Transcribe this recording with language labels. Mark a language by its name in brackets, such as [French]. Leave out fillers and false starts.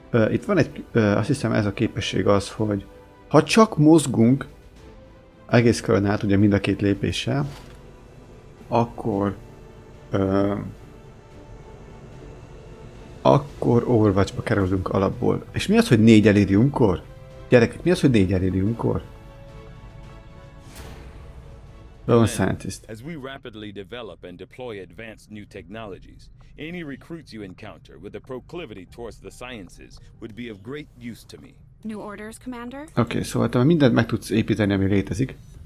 [Hungarian] Itt van egy, azt hiszem ez a képesség az, hogy ha csak mozgunk egész körön át, ugye mind a két lépéssel, akkor akkor Overwatch-ba kerülünk alapból. És mi az, hogy 4 Elyriumkor? Gyerekek, mi az, hogy 4 Elyriumkor? [English] Lone Scientist. As we rapidly develop and deploy advanced new technologies, any recruits you encounter with a proclivity towards the sciences would be of great use to me. New orders, Commander? [Hungarian] Okay, szóval te mindent meg tudsz építeni, ami létezik.